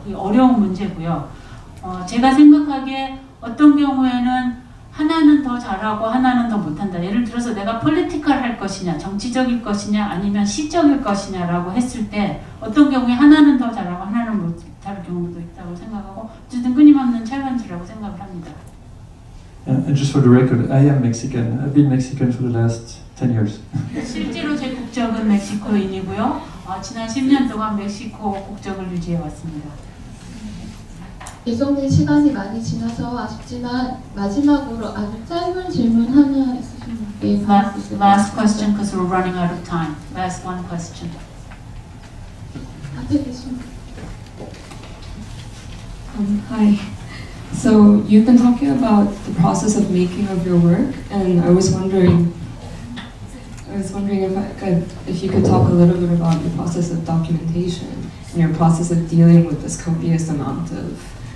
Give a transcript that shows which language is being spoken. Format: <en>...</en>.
<ko>그게 어려운 문제고요. 제가 생각하기에 어떤 경우에는 하나는 더 잘하고 하나는 더 못한다. 예를 들어서 내가 폴리티컬 할 것이냐, 정치적일 것이냐, 아니면 시적일 것이냐라고 했을 때 어떤 경우에 하나는 더 잘하고 하나는 못할 경우도 있다고 생각하고 어쨌든 끊임없는 챌린지라고 생각을 합니다.</ko> <en>And just for the record, I am Mexican. I've been Mexican for the last 10 years.</en> <ko>실제로 제 국적은 멕시코인이고요. 지난 10년 동안 멕시코 국적을 유지해 왔습니다. 죄송해요. 시간이 많이 지나서 아쉽지만 마지막으로 아주 짧은 질문 하나 있으신 분께</ko> <en>last question because we're running out of time. Last one question.</en> <ko>아, 네,</ko> <en>Hi. So you've been talking about the process of making of your work, and I was wondering if you could talk a little bit about your process of documentation and your process of dealing with this copious amount of</en>